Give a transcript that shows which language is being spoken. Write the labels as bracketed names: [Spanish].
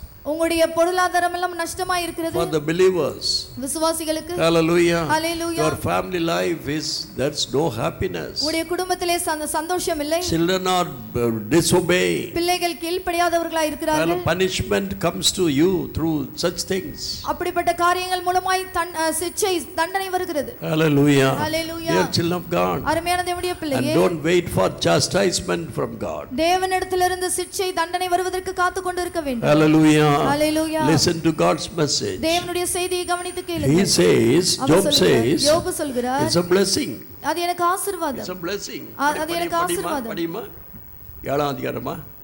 [Tamil] உங்களுடைய பொருளாதாரம் எல்லாம் நஷ்டமா இருக்கிறது. [English] For the believers. [Tamil] விசுவாசிகளுக்கு. [English] Hallelujah. Hallelujah. Your family life is there's no happiness. [Tamil] உங்களுடைய குடும்பத்திலே சந்தோஷம் இல்லை. [English] Children are disobeying. [Tamil] பிள்ளைகள் கீழ்ப்படியாதவர்களா இருக்கிறார்கள். [English] And punishment comes to you through such things. [Tamil] அப்படிப்பட்ட காரியங்கள் மூலமாய் சிச்சை தண்டனை வருகிறது. [English] Hallelujah. Hallelujah. Dear children of God. [Tamil] அருமையான தேவனுடைய பிள்ளைகளே. [English] And don't wait for chastisement from God. [Tamil] தேவனிடத்திலிருந்து சிச்சை தண்டனை வருவதற்கு காத்துக்கொண்டிருக்க வேண்டும். [English] Hallelujah. Hallelujah. Listen to God's message. [Tamil] தேவனுடைய செய்தியை கவனித்து கேளுங்கள். [English] He says, Job says, [Tamil] யோபு சொல்கிறார், [English] it's a blessing. [Tamil] அது எனக்கு ஆசீர்வாதம். [English] It's a blessing. [Tamil] அது எனக்கு ஆசீர்வாதம். படிமா? ஏழாம் அதிகாரமா?